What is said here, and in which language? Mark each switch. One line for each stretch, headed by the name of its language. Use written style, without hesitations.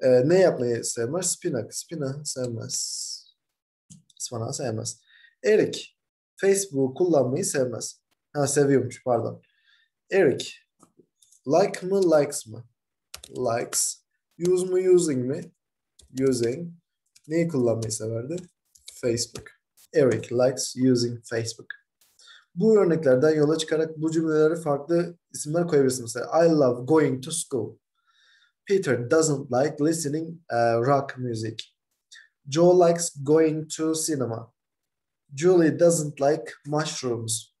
Turkish: Ne yapmayı sevmez? Spina sevmez. Ispanağı sevmez. Eric. Facebook kullanmayı sevmez. Ha, seviyormuş, pardon. Eric. Like mı likes mı? Likes. Use mu using mi? Using. Neyi kullanmayı severdi? Facebook.
English: Eric likes using Facebook.
Turkish: Bu örneklerden yola çıkarak bu cümlelere farklı isimler koyabilirsiniz. Mesela
English: I love going to school. Peter doesn't like listening rock music. Joe likes going to cinema. Julie doesn't like mushrooms.